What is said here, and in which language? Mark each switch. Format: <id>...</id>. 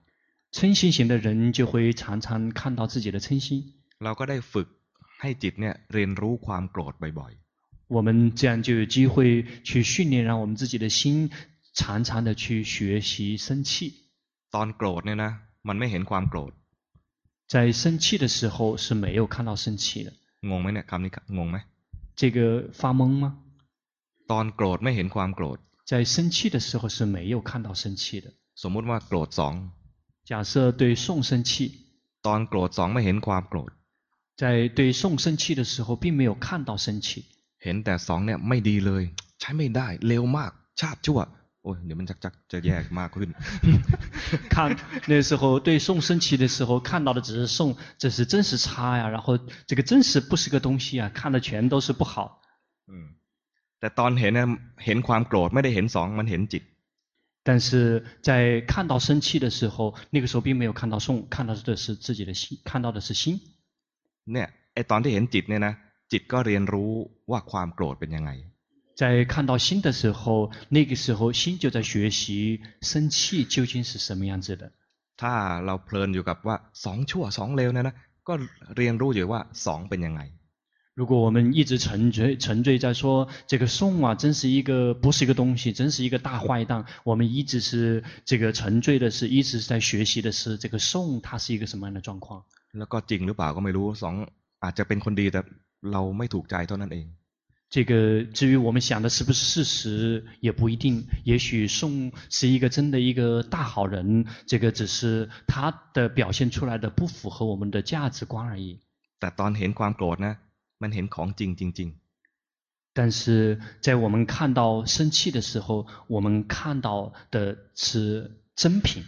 <zh>ๆ嗔心型的人就会常常看到自己的嗔心</zh> <th>เราก็ได้ฝึกให้จิตเนี่ยเรียนรู้ความโกรธบ่อย</th> <zh>ๆ我们这样就有机会去训练让我们自己的心常常的去学习生气</zh> <th>ตอนโกรธเนี่ยนะมันไม่เห็นความโกรธ</th> <zh>在生气的时候是没有看到生气的</zh> <th>งงไหมเนี่ยคำนี้งงไหม</th> <zh>这个发懵吗</zh> <th>ตอนโกรธไม่เห็นความโกรธ</th> <zh>在生气的时候是没有看到生气的</zh> <th>สมมติว่าโกรธสอง</th> <zh>假设对宋生气</zh> <th>ตอนโกรธสองไม่เห็นความโกรธ</th> <zh>在对宋生气的时候并没有看到生气</zh> <th>เห็นแต่สองเนี่ยไม่ดีเลยใช้ไม่ได้เลวมากชาติชั่วโอ้ยเดี๋ยวมันจะแย่มากขึ้น</th> <zh>看那时候对宋升起的时候看到的只是宋这是真实差呀然后这个真实不是个东西啊看的全都是不好</zh> <th>แต่ตอนเห็นเห็นความโกรธไม่ได้เห็นสองมันเห็นจิต</th> <zh>但是在看到生气的时候那个时候并没有看到宋看到的是自己的心看到的是心</zh> <th>เนี่ยไอตอนที่เห็นจิตเนี่ยนะจิตก็เรียนรู้ว่าความโกรธเป็นยังไง</th> <zh>在看到心的时候那个时候心就在学习生气究竟是什么样子的</zh> <th>ถ้าเราเพลินอยู่กับว่าสองชั่วสองเลวนะนะก็เรียนรู้อยู่ว่าสองเป็นยังไง</th> <zh>如果我们一直沉醉在说这个宋啊真是一个不是一个东西真是一个大坏蛋我们一直是这个沉醉的是一直是在学习的是这个宋它是一个什么样的状况</zh> <th>แล้วก็จริงหรือเปล่าก็ไม่รู้สองอาจจะเป็นคนดีแต่เราไม่ถูกใจเท่านั้นเอง</th> <zh>这个至于我们想的是不是事实也不一定也许宋是一个真的一个大好人这个只是他的表现出来的不符合我们的价值观而已</zh> <th>แต่ตอนเห็นความโกรธนะมันเห็นของจริงจริง</th> <zh>但是在我们看到生气的时候我们看到的是真品</zh>